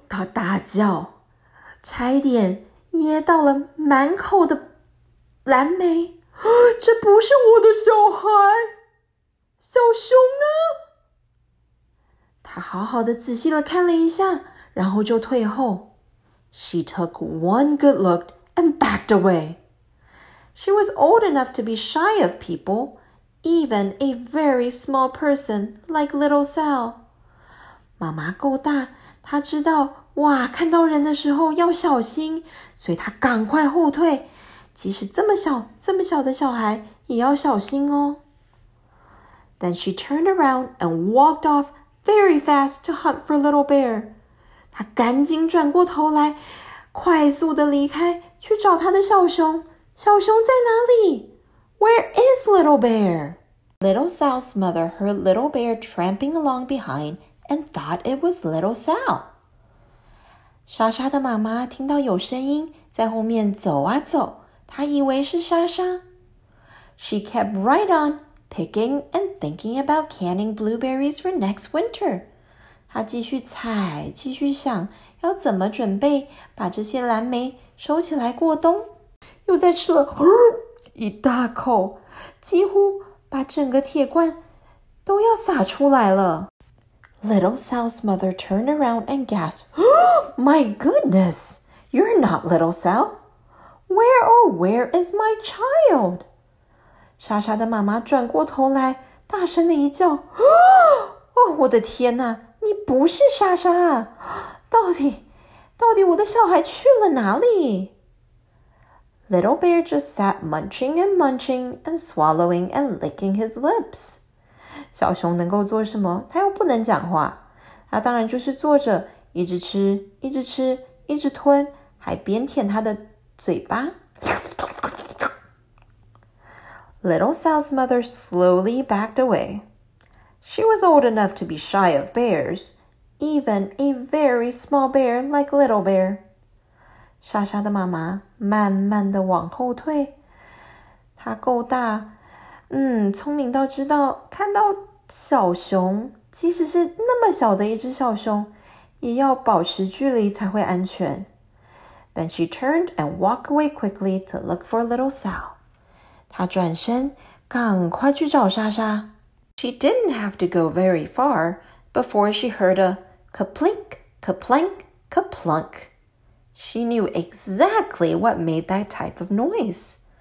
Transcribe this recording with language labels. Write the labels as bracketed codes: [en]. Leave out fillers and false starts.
[zh] 她大叫，差一点噎到了满口的蓝莓。这不是我的小孩，小熊呢？她好好的仔细地看了一下，然后就退后。 [en] She took one good look and backed away. She was old enough to be shy of people, even a very small person like Little Sal. [zh] 妈妈够大，她知道，哇，看到人的时候要小心，所以她赶快后退。即使这么小，这么小的小孩也要小心哦。 [en] Then she turned around and walked off very fast to hunt for Little Bear. [zh] 她赶紧转过头来，快速地离开，去找她的小熊。小熊在哪里？ [en] Where is Little Bear? Little Sal's mother heard Little Bear tramping along behind and thought it was Little Sal. [zh] 莎莎的妈妈听到有声音在后面走啊走，她以为是莎莎。 [en] She kept right on picking and thinking about canning blueberries for next winter. [zh] 她继续采，继续想要怎么准备把这些蓝莓收起来过冬。又再吃了一大口，几乎把整个铁罐都要洒出来了。 [en] Little Sal's mother turned around and gasped, My goodness, you're not Little Sal. Where or where is my child? [zh] 莎莎的妈妈转过头来，大声的一叫，哦，我的天哪，你不是莎莎，到底我的小孩去了哪里？ [en] Little Bear just sat munching and munching and swallowing and licking his lips. [zh] 小熊能够做什么？他又不能讲话。他当然就是坐着，一直吃，一直吃，一直吞，还边舔他的嘴巴。 [en] Little Sal's mother slowly backed away. She was old enough to be shy of bears, even a very small bear like Little Bear. [zh] 莎莎的妈妈慢慢地往后退，她够大，聪明到知道看到小熊，即使是那么小的一只小熊，也要保持距离才会安全。 [en] Then she turned and walked away quickly to look for Little Sal. [zh] 她转身，赶快去找莎莎。 [en] She didn't have to go very far before she heard a ka-plink, ka-plink, ka-plunk. She knew exactly what made that type of noise.